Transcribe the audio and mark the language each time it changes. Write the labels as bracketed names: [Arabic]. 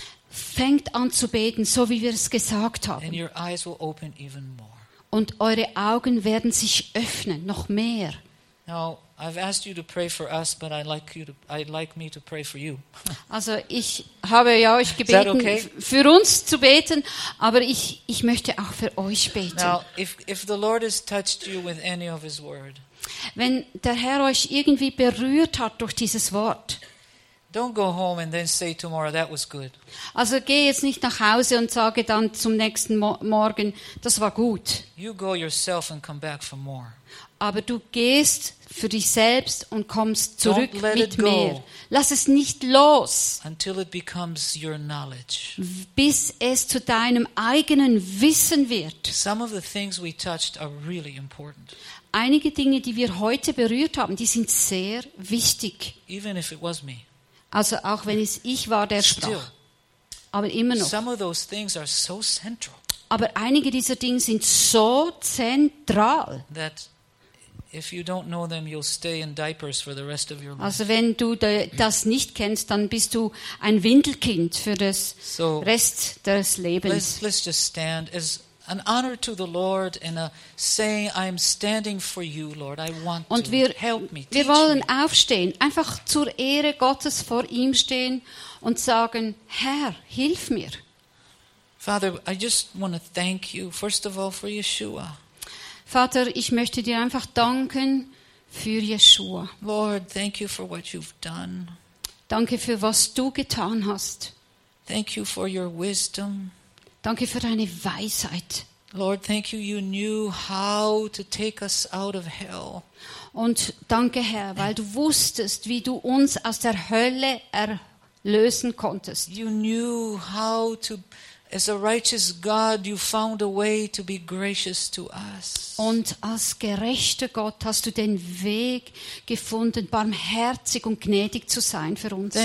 [German] Fängt an zu beten, so wie wir es gesagt haben. [English] And your eyes will open even more. [German] Und eure Augen werden sich öffnen, noch mehr. [English] Now, I've asked you to pray for us, but I'd like me to pray for you. [German] Also, ich habe ja euch gebeten, okay? Für uns zu beten, aber ich möchte auch für euch beten. [English] Now, if the Lord has touched you with any of His word, [German] wenn der Herr euch irgendwie berührt hat durch dieses Wort, [English] don't go home and then say tomorrow that was good. [German] Also, geh jetzt nicht nach Hause und sage dann zum nächsten Morgen, das war gut. [English] You go yourself and come back for more. [German] Aber du gehst für dich selbst und kommst zurück mit mehr. Lass es nicht los, [English] until it becomes your knowledge. [German] Bis es zu deinem eigenen Wissen wird. [English] Some of the things we touched are really important. [German] Einige Dinge, die wir heute berührt haben, die sind sehr wichtig. [English] Even if it was me. [German] Also auch wenn es ich war, der sprach. Aber immer noch. [English] Some of those things are so central. [German] Aber einige dieser Dinge sind so zentral, [English] if you don't know them, you'll stay in diapers for the rest of your life. [German] Also wenn du das nicht kennst, dann bist du ein Windelkind für das Rest des Lebens. [English] Let's just stand as an honor to the Lord and a saying, I'm standing for you, Lord. I want to help me. [German] Wir wollen aufstehen, einfach zur Ehre Gottes vor ihm stehen und sagen, Herr, hilf mir. [English] Father, I just want to thank you first of all for Yeshua. [German] Vater, ich möchte dir einfach danken für Yeshua. [English] Lord, thank you for what you've done. [German] Danke für was du getan hast. [English] Thank you for your wisdom. [German] Danke für deine Weisheit. [English] Lord, thank you, you knew how to take us out of hell. [German] Und danke, Herr, weil du wusstest, wie du uns aus der Hölle erlösen konntest. [English] You knew how to, as a righteous God, you found a way to be gracious to us. [German] Und als gerechter Gott hast du den Weg gefunden, barmherzig und gnädig zu sein für uns.